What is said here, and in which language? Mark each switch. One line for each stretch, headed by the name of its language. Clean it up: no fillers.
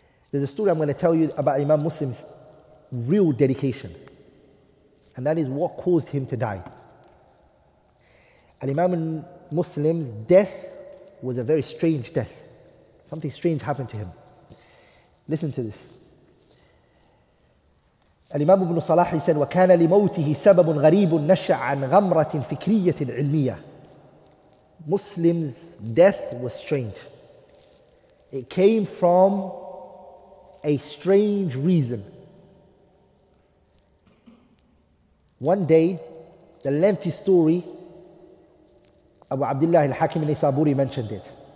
English: There's a story I'm going to tell you about Imam Muslim's real dedication. And that is what caused him to die. And Imam Muslim's death was a very strange death. Something strange happened to him. Listen to this.
Arabic: الإمام ابن صلاح
English: said,
Arabic: وكان لموته سبب غريب نشع عن غمرة فكرية علمية.
English: Muslim's death was strange. It came from a strange reason. One day, the lengthy story, Abu Abdullah al-Hakim al-Nisaburi mentioned it.